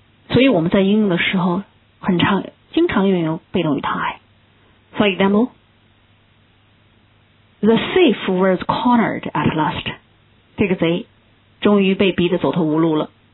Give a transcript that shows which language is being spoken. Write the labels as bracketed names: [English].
[Chinese] 所以我们在应用的时候经常运用被动语态。 [English] For example, the thief was cornered at last. [Chinese] 这个贼终于被逼得走投无路了。